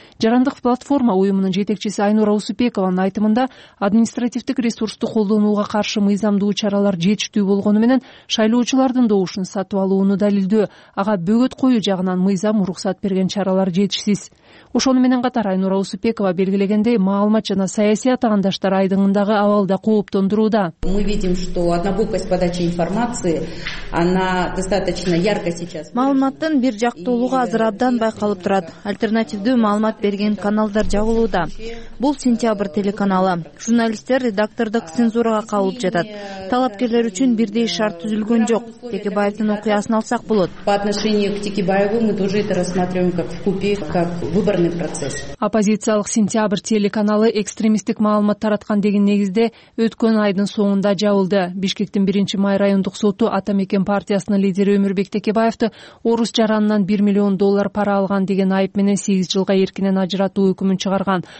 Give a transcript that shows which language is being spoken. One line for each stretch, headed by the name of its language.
Kyrgyz: Жарандык платформа уюмунун жетекчиси Айнура Усупекованын айтымында административдик ресурсту колдонууга каршы мыйзамдуу чаралар жетиштүү болгону менен шайлоочулардын доошун сатып алууну далилдөө, ага бөгөт коюу жагынан мыйзам уруксат берген чаралар жетишсиз. Ошону менен катар Айнура Усупекова Жарыкова белгилегендей, маалымат жана саясий атаандаштар айдыңындагы абалда кооптондурууда.
Russian: Мы видим, что однобокость подачи информации, она достаточно ярко сейчас.
Kyrgyz: Маалыматтын бир жактуулугу азыр абдан байкалып турат. Альтернативдүү маалымат берген каналдар жабылууда. Бул Сентябрь телеканалы. Журналисттер редактордук цензурага кабылып жатат. Талапкерлер үчүн бирдей шарт түзүлгөн жок. Текебаевдин окуясын алсак болот.
Russian: По отношению к Текебаеву мы тоже это рассматриваем как вкупе, как выборный процесс.
Kyrgyz: Оппозициялык Сентябрь телеканалы экстремисттик маалымат тараткан деген негизде өткөн айдын соңунда жабылды. Бишкектин 1 май райондук соту Ата Мекен партиясынын лидери Өмүрбек Текебаевди орус жаранынан 1 миллион доллар пара алган деген айып менен 8 жылга эркинен ажыратуу өкүмүн чыгарган.